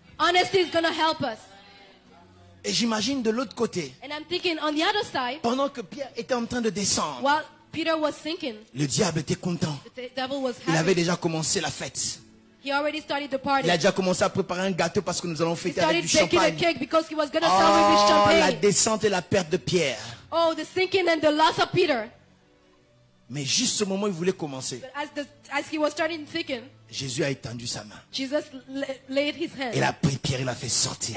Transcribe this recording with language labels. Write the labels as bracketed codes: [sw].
[en] Honesty is going to help us. [fr] Et j'imagine de l'autre côté. [en] And I'm thinking on the other side. [fr] Pendant que Pierre était en train de descendre. [en] While Peter was sinking. [fr] Le diable était content. [en] The devil was happy. [fr] Il avait déjà commencé la fête. [en] He already started the party. [fr] Il a déjà commencé à préparer un gâteau parce que nous allons fêter avec du champagne. [en] He started baking a cake because he was going to celebrate with champagne. [fr] La descente et la perte de Pierre. [en] Oh, the sinking and the loss of Peter. [fr] Mais juste au moment où il voulait commencer. [en] But as he was starting to sinking. [fr] Jésus a étendu sa main. [en] Jesus laid his hand. [fr] Il a pris Pierre et l'a fait sortir.